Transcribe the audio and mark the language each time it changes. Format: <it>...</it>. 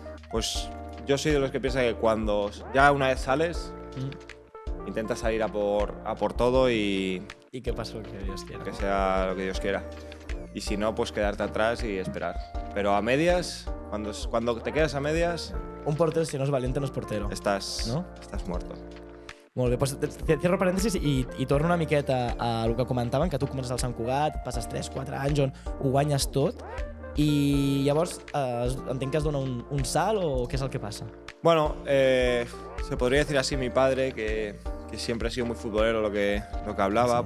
<es>Pues yo soy de los que piensa que cuando ya una vez sales, uh-huh, intenta salir a por todo y... Y que pase lo que Dios quiera. Que sea lo que Dios quiera. Y si no, pues quedarte atrás y esperar. Pero a medias, cuando te quedas a medias... Un portero, si no es valiente, no es portero. Estás, ¿no? Estás muerto.</es> <ca>Molt bé, doncs</ca> <es>cierro</es> <ca>parèntesis i torno una miqueta a el que comentaven, que tu comences al Sant Cugat, passes 3, 4 anys on ho guanyes tot. I llavors entenc que es dona un salt o què és el que passa?</ca> <es>Bueno, se podría decir así: mi padre, que que siempre ha sido muy futbolero lo que hablaba, sí.</es>